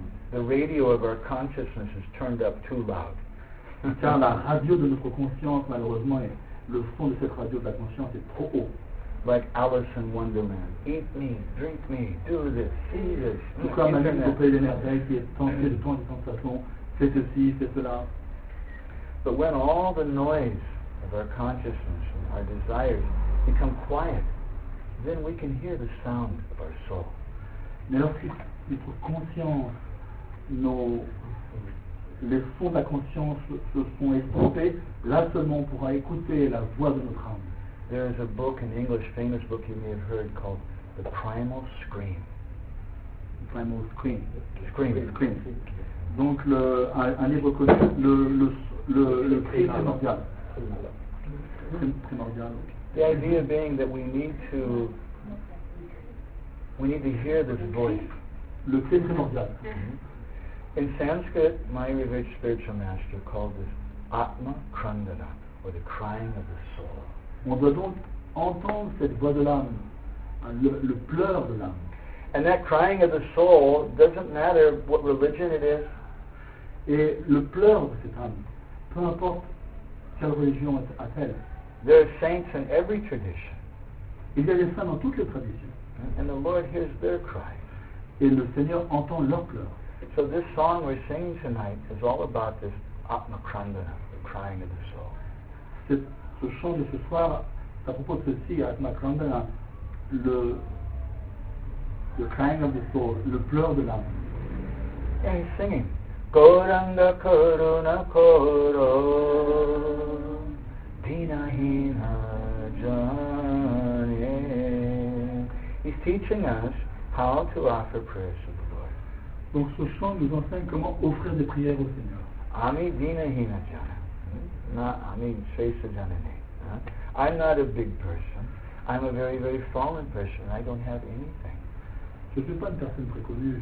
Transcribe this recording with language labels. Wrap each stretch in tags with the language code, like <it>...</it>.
<en>The radio of our consciousness is turned up too loud.</en> <fr>Car la radio de notre conscience, malheureusement, le son de cette radio de la conscience est trop haut.</fr> <en>Like Alice in Wonderland. Eat me, drink me, do this, see this.</en> <fr>Tout comme Alice au Pays des Merveilles qui est tentée de tant de tentations. Fais ceci, fais cela.</fr> <en>But when all the noise of our consciousness and our desires become quiet, then we can hear the sound of our soul.</en> <fr>Mais lorsque notre conscience, nos, les sons de la conscience se sont estompés, là seulement on pourra écouter la voix de notre âme.</fr> <en>There is a book, an English famous book you may have heard, called The Primal Scream. The Primal Scream. Scream.</en> <fr>Donc le, un livre connu, le cri primordial.</fr> <en>The idea being that we need to hear this voice.</en> <fr>Le cri primordial.</fr> <en>In Sanskrit, my revered spiritual master called this Atma Krandana, or the crying of the soul.</en> <fr>On doit donc entendre cette voix de l'âme, le pleur de l'âme.</fr> <en>And that crying of the soul doesn't matter what religion it is.</en> <fr>Et le pleur de cette âme, peu importe quelle religion a-t-elle.</fr> <en>There are saints in every tradition.</en> <fr>Il y a des saints dans toutes les traditions.</fr> <en>And the Lord hears their cry.</en> <fr>Et le Seigneur entend leur pleur.</fr> <en>So this song we're singing tonight is all about this Atma Krandana, the crying of the soul.</en> <fr>Ce chant de ce soir, à propos de ceci, Atma Krandana, le</fr> <en>crying of the soul,</en> <fr>le pleur de l'âme.</fr> <en>And he's singing.</en> <bn>Gauranga karuna koro dinahina jane.</bn> <en>He's teaching us how to offer prayers to the Lord.</en> <fr>Donc ce chant nous enseigne comment offrir des prières au Seigneur.</fr> <bn>Ami dinahina jane. Ami shesa janane.</bn> <en>I'm not a big person. I'm a very, very fallen person. I don't have anything.</en> <fr>Je ne suis pas une personne très connue.</fr>